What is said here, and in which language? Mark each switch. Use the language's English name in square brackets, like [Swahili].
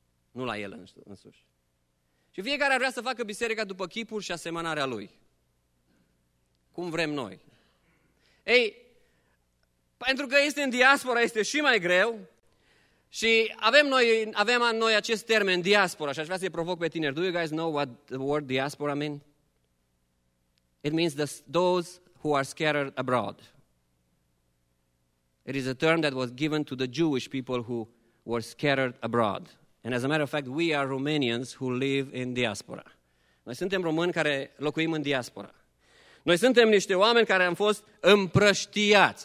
[Romanian] Nu la el însuși. Și fiecare vrea să facă biserica după chipul și asemănarea lui. Cum vrem noi. Ei, pentru că este în diaspora, este și mai greu. Și avem noi acest termen, diaspora, și aș vrea să-i provoc pe tineri. [English] Do you guys know what the word diaspora means? It means those who are scattered abroad. It is a term that was given to the Jewish people who were scattered abroad. And as a matter of fact, we are Romanians who live in diaspora. [Romanian] Noi suntem români care locuim în diaspora. Noi suntem niște oameni care am fost împrăștiați.